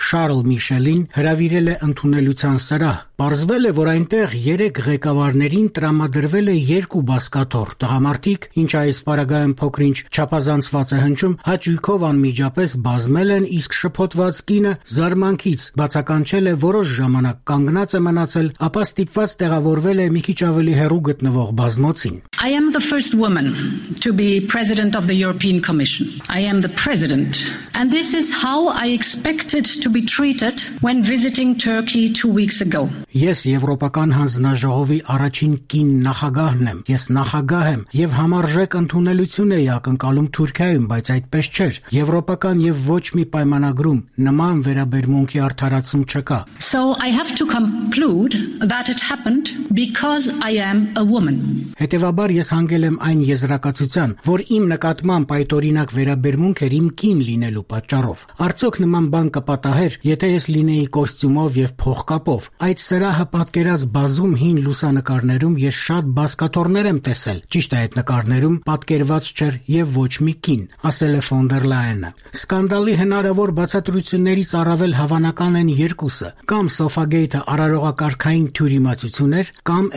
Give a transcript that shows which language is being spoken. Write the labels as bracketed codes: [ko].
[hy] Շարլ Միշելին հրավիրել է ընդունելության սրահ։ Պարզվել է, որ այնտեղ երեք ղեկավարներին տրամադրվել է երկու բազկաթոռ տղամարդիկ, ինչ այս պարագայում փոքրինչ չափազանցված է հնչում, հաճույքով անմիջապես բազմել են, իսկ շփոթված կինը զարմանքից բացականչել է որոշ ժամանակ կանգնած է մնացել, ապա ստիպված տեղավորվել է մի քիչ ավելի հեռու գտնվող բազմոցին։ [en] I am the first woman to be president of the European Commission. I am the president, and this is how I expected to be treated when visiting Turkey 2 weeks ago. [hy] Ես Եվրոպական հանձնաժողովի առաջին կին նախագահն եմ, ես նախագահ եմ, և համարժեք ընդունելություն էի ակնկալում Թուրքիայում, բայց այդպես չէր։ Եվրոպական և ոչ մի պայմանագրում նման վերաբերմունքի արդարացում չկա։ [en] So I have to conclude that it happened because I am a woman. [hy] Հետևաբար ես հանգել եմ այն եզրակացության, որ իմ նկատմամբ այդ օրինակ վերաբերմունք էր իմ կին լինելու պատճառով։ Արդյոք նման բան կպատահեր, եթե ես լինեի կոստյումով և փողկապով։ Այդ սրահը պատկերած բազում հին լուսանկարներում ես շատ բազկաթոռներ եմ տեսել, ճիշտ է, այդ նկարներում պատկերված չէր և ոչ մի կին, ասել է ֆոն դեր Լայենը։ Սկանդալի հնարավոր բացատրություններից առավել հավանական են երկուսը, կամ Սոֆագեյթը արարողակարգային թյուրիմացություն էր, կամ